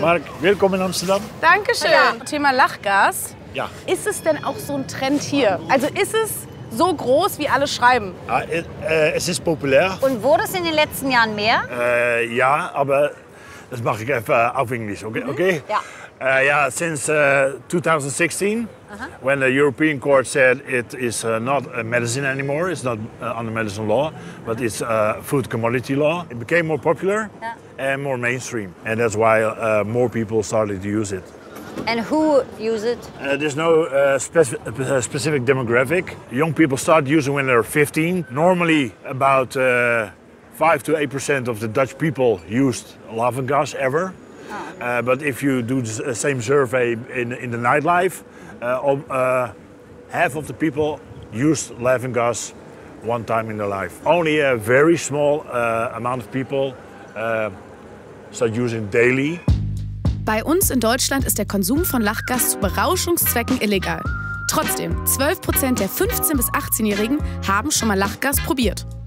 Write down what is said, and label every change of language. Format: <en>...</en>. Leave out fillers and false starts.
<de>Marc, willkommen in Amsterdam. Dankeschön. Ja. Thema Lachgas. Ja. Ist es denn auch so ein Trend hier? Also ist es so groß, wie alle schreiben? Ja, es ist populär. Und wurde es in den letzten Jahren mehr? Ja, aber das mache ich einfach auf Englisch, okay? Mhm. Okay? Ja.</de> <en>Yeah, since 2016, when the European Court said it is not a medicine anymore, it's not under medicine law, but it's food commodity law, it became more popular and more mainstream. And that's why more people started to use it. And who use it? There's no specific demographic. Young people start using when they're 15. Normally, about 5 to 8% of the Dutch people used lachgas ever. But if you do the same survey in the nightlife, half of the people used laughing gas one time in their life. Only a very small amount of people start using daily.</en> <de>Bei uns in Deutschland ist der Konsum von Lachgas zu Berauschungszwecken illegal. Trotzdem, 12% der 15- bis 18-Jährigen haben schon mal Lachgas probiert.</de>